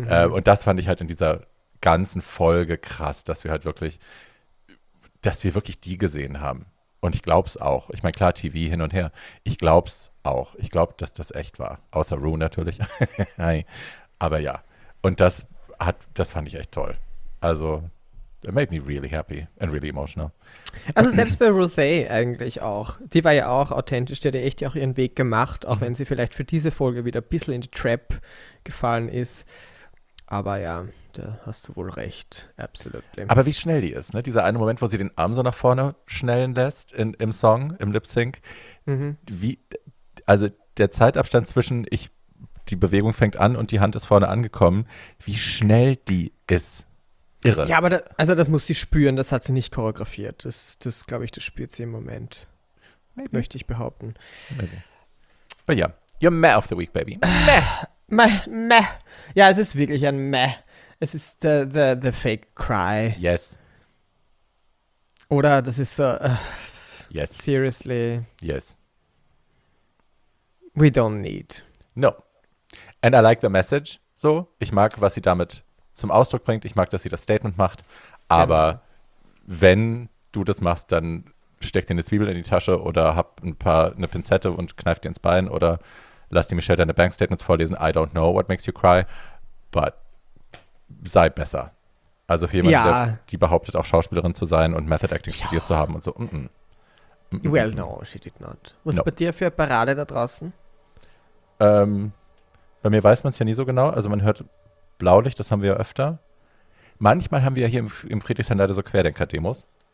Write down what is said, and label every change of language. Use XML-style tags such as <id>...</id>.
<de>Und das fand ich halt in dieser ganzen Folge krass, dass wir wirklich die gesehen haben. Und ich glaub's auch. Ich meine, klar, TV hin und her. Ich glaub's auch. Ich glaub, dass das echt war. Außer Rue natürlich. Hi. Aber ja. Und das fand ich echt toll.</de> <en>Also, it made me really happy and really emotional.</en> <de>Also selbst bei Rosé eigentlich auch. Die war ja auch authentisch, die hat ja echt auch ihren Weg gemacht, auch wenn sie vielleicht für diese Folge wieder ein bisschen in die Trap gefallen ist. Aber ja, da hast du wohl recht, absolut. Aber wie schnell die ist, ne? Dieser eine Moment, wo sie den Arm so nach vorne schnellen lässt im Song, im Lip-Sync. Mhm. Wie, also der Zeitabstand zwischen die Bewegung fängt an und die Hand ist vorne angekommen, wie schnell die ist. Irre. Ja, aber das muss sie spüren, das hat sie nicht choreografiert. Das glaube ich, das spürt sie im Moment.</de> <en>Maybe.</en> <de>Möchte ich behaupten. Aber ja,</de> <en>yeah, you're meh of the week, baby. Meh.</en> <de>Ja, es ist wirklich ein meh. Es ist</de> <en>the fake cry. Yes.</en> <de>Oder das ist so,</de> <en>yes. Seriously. Yes. We don't need. No. And I like the message, so.</en> <de>Ich mag, was sie damit zum Ausdruck bringt. Ich mag, dass sie das Statement macht. Aber genau. Wenn du das machst, dann steck dir eine Zwiebel in die Tasche oder hab eine Pinzette und kneif dir ins Bein oder lass die Michelle deine Bankstatements vorlesen.</de> <en>I don't know what makes you cry, but</en> <de>sei besser. Also für jemanden, die behauptet, auch Schauspielerin zu sein und Method Acting studiert zu haben und so.</de> <en>Well, no, she did not.</en> <de>Was bei dir für eine Parade da draußen? Bei mir weiß man es ja nie so genau. Also man hört Blaulicht, das haben wir ja öfter. Manchmal haben wir ja hier im Friedrichshain leider so Querdenker-Demos.</de>